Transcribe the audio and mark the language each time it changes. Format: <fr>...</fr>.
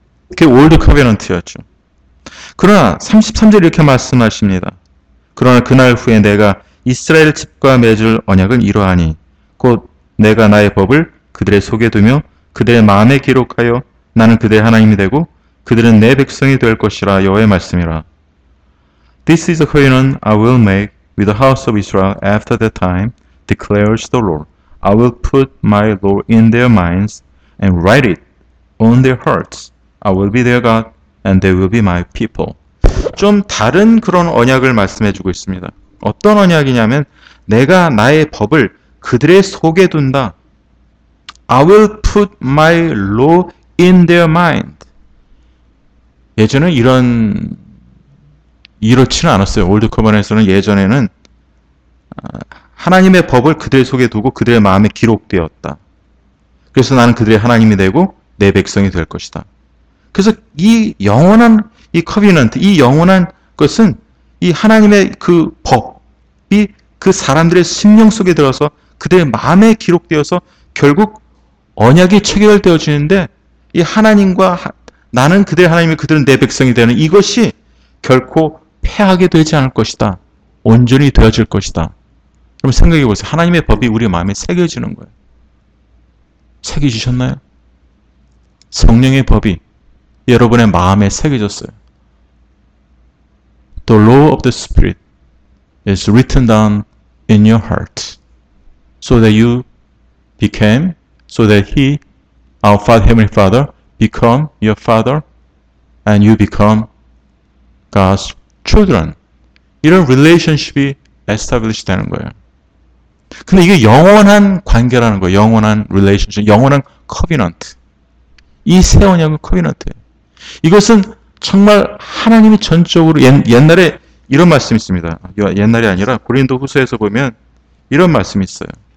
<ko>그게 올드 커버넌트였죠. 그러나 33절 이렇게 말씀하십니다. 그러나 그날 후에 내가 이스라엘 집과 맺을 언약은 이러하니 곧 내가 나의 법을 그들의 속에 두며 그들의 마음에 기록하여 나는 그들의 하나님이 되고 그들은 내 백성이 될 것이라 여호와의 말씀이라.</ko> <en>This is a covenant I will make with the house of Israel after that time, declares the Lord. I will put my law in their minds and write it on their hearts. I will be their God, and they will be my people.</en> <ko>좀 다른 그런 언약을 말씀해 주고 있습니다. 어떤 언약이냐면, 내가 나의 법을 그들의 속에 둔다.</ko> <en>I will put my law in their mind.</en> <ko>예전에 이렇지는 않았어요. 올드 커버넌트에서는 예전에는 하나님의 법을 그들 속에 두고 그들의 마음에 기록되었다. 그래서 나는 그들의 하나님이 되고 내 백성이 될 것이다. 그래서 이 영원한 이 커버넌트, 이 영원한 것은 이 하나님의 그 법이 그 사람들의 심령 속에 들어서 그들의 마음에 기록되어서 결국 언약이 체결되어지는데 이 하나님과 나는 그들의 하나님이 그들은 내 백성이 되는 이것이 결코 패하게 되지 않을 것이다. 온전히 되어질 것이다. 그럼 생각해 보세요. 하나님의 법이 우리 마음에 새겨지는 거예요. 새겨지셨나요? 성령의 법이 여러분의 마음에 새겨졌어요.</ko> <en>The law of the spirit is written down in your heart so that you became, so that he, our Father, Heavenly Father, become your Father and you become God's children.</en> <ko>이런 relationship이 established 되는 거예요. 근데 이게 영원한 관계라는 거예요. 영원한 relationship, 영원한 covenant. 이새 언약은 covenant예요. 이것은 정말 하나님이 전적으로, 옛날에 이런 말씀이 있습니다. 옛날이 아니라 고린도 후서에서 보면 이런 말씀이 있어요.</ko>